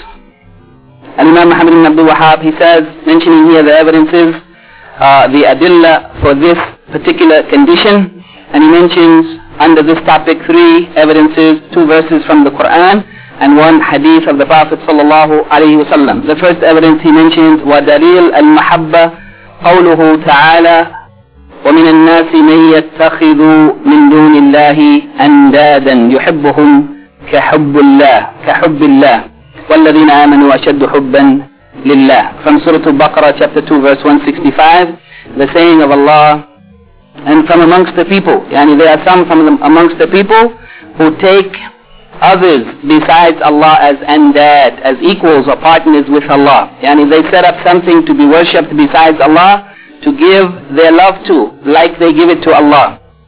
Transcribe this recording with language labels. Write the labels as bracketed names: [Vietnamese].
[English] Al-Imam Muhammad ibn Abdul Wahhab, he says, mentioning here the evidences, the adilla for this particular condition, and he mentions under this topic three evidences, two verses from the Quran and one hadith of the Prophet sallallahu alayhi wa sallam. The first evidence he mentions, [Arabic] ودليل المحبة قوله تعالى ومن الناس من يتخذ من دون الله أندادا يحبهم كحب الله كحب الله والذين آمنوا أشد حبا لله. [English] From Surah Al-Baqarah chapter 2 verse 165, the saying of Allah, and from amongst the people, yani there are some from amongst the people who take others besides Allah as andad, as equals or partners with Allah. Yani they set up something to be worshipped besides Allah to give their love to, like they give it to Allah.